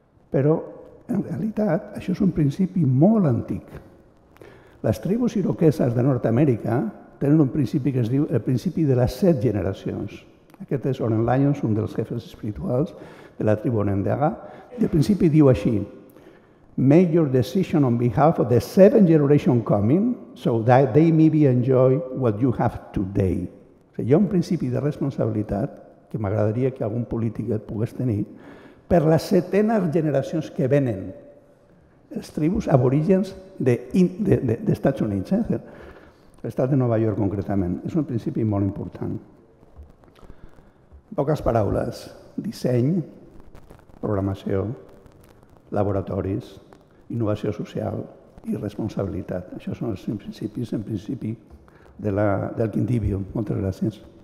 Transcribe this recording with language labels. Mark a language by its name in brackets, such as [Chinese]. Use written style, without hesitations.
[Catalan] Però en realitat, això és un principi molt antic. Les tribus iroqueses de Nord-Amèrica tenen un principi que es diu el principi de les 7 generacions. Aquest és Oren Lyons, un dels jefes espirituals de la tribu Onondaga. El principi diu així: [English] "Make your decision on behalf of the 7 generation coming so that they maybe enjoy what you have today." [Catalan] O sigui, hi ha un principi de responsabilitat que m'agradaria que algun polític et pogués tenir, per les 7enes generacions que venen, els tribus aborígens d'Estats Units, l'estat de Nova York concretament. És un principi molt important. En poques paraules, disseny, programació, laboratoris, innovació social i responsabilitat. Això són els principis, en principi, del Quindibio. Moltes gràcies.